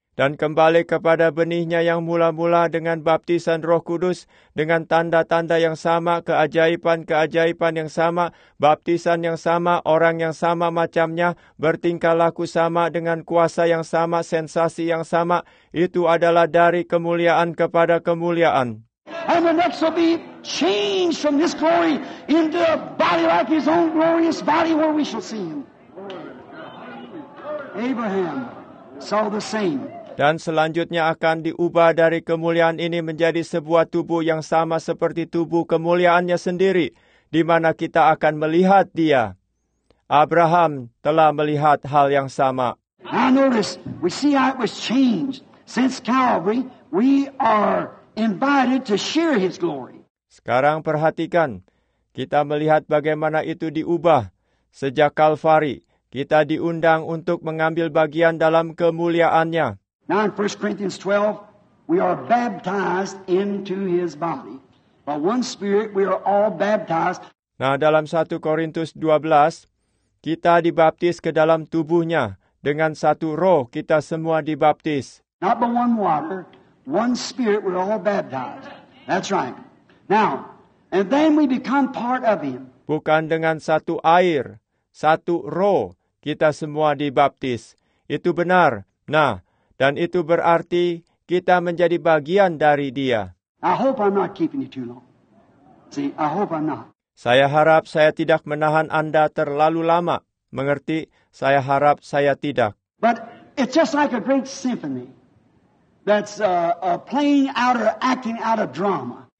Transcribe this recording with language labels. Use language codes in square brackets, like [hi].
[id] Dan kembali kepada benihnya yang mula-mula dengan baptisan Roh Kudus, dengan tanda-tanda yang sama, keajaiban-keajaiban yang sama, baptisan yang sama, orang yang sama macamnya, bertingkah laku sama, dengan kuasa yang sama, sensasi yang sama, itu adalah dari kemuliaan kepada kemuliaan. [en] And the next will be changed from this glory into a body like his own glorious body where we shall see him. Abraham saw the same. [id] Dan selanjutnya akan diubah dari kemuliaan ini menjadi sebuah tubuh yang sama seperti tubuh kemuliaannya sendiri, di mana kita akan melihat dia. Abraham telah melihat hal yang sama. [en] Now notice, we see how it was changed. Since Calvary, we are invited to share his glory. [id] Sekarang perhatikan, kita melihat bagaimana itu diubah sejak Calvary. Kita diundang untuk mengambil bagian dalam kemuliaannya. [en] Now in 1 Corinthians 12, we are baptized into his body. By one spirit, we are all baptized. [id] Nah, dalam 1 Korintus 12, kita dibaptis ke dalam tubuhnya. Dengan satu roh, kita semua dibaptis. [en] Not by one water, one spirit, we're all baptized. That's right. Now, and then we become part of him. [id] Bukan dengan satu air, satu roh, kita semua dibaptis. Itu benar. Nah, dan itu berarti kita menjadi bagian dari dia. [en] I hope I'm not keeping you too long. See, I hope I'm not. [id] Saya harap saya tidak menahan Anda terlalu lama. Mengerti? Saya harap saya tidak. [en] But it's just like a great symphony that's playing out or acting out a drama.